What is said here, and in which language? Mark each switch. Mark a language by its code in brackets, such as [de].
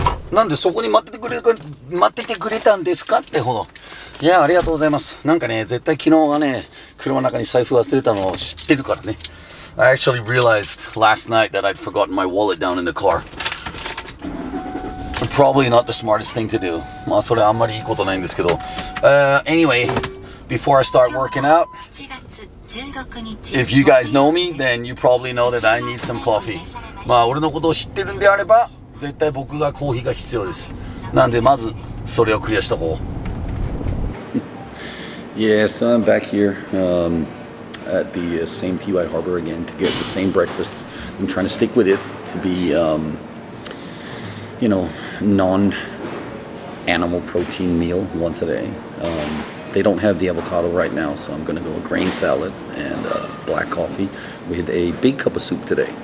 [ja] なんでそこに待っててくれたんですかってほど。いや、ありがとうございます。なんかね、絶対昨日はね、車の中に財布忘れたのを知ってるからね。 [en] I actually realized last night that I'd forgotten my wallet down in the car. Probably not the smartest thing to do. [ja] まあ、それあんまりいいことないんですけど。 [en] Anyway, before I start working out, if you guys know me, then you probably know that I need some coffee. [ja] まあ俺のことを知ってるんであれば絶対僕がコーヒーが必要です。なんでまずそれをクリアしとこう。 [en] Yes, I'm back here, at the same TY Harbor again to get the same breakfast. I'm trying to stick with it to be, you know, non-animal protein meal once a day. They don't have the avocado right now, so I'm gonna go a grain salad and a black coffee with a big cup of soup today.